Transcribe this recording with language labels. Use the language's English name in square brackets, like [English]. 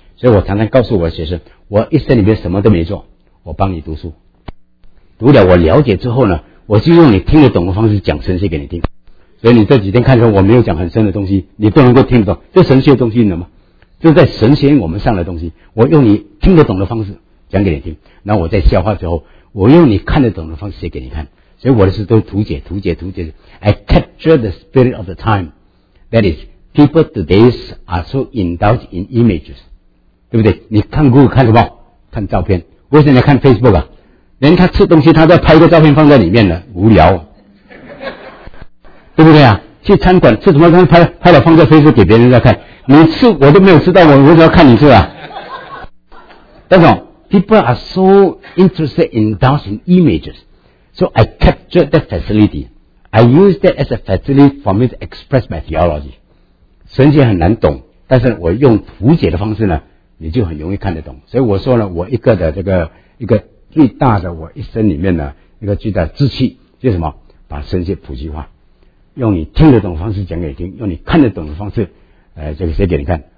[Chinese] 所以我常常告诉我的学生，我一生里面什么都没做，我帮你读书，读了我了解之后呢，我就用你听得懂的方式讲神学给你听。所以你这几天看说我没有讲很深的东西，你都能够听得懂，这神学的东西呢吗？这在神学我们上的东西，我用你听得懂的方式讲给你听，然后我在消化之后，我用你看得懂的方式写给你看。所以我的书都是图解图解图解。 [English] I capture the spirit of the time, that isPeople today are so indulged in images, [Chinese] 对不对？你看 Google 看什么？看照片。为什么要看 Facebook 啊？连他吃东西，他在拍一个照片放在里面了，无聊，对不对啊？去餐馆吃什么？他拍了放在 Facebook 给别人在看。每次我都没有知道，我为什么要看你是吧？但是 [English] people are so interested in dancing images, so I capture that facility. I use that as a facility for me to express my theology. [Chinese] 神学很难懂，但是我用图解的方式呢，你就很容易看得懂。所以我说呢，我一个的这个一个最大的我一生里面呢一个巨大的志气，就是什么？把神学普及化，用你听得懂的方式讲给你听，用你看得懂的方式，这个写给你看。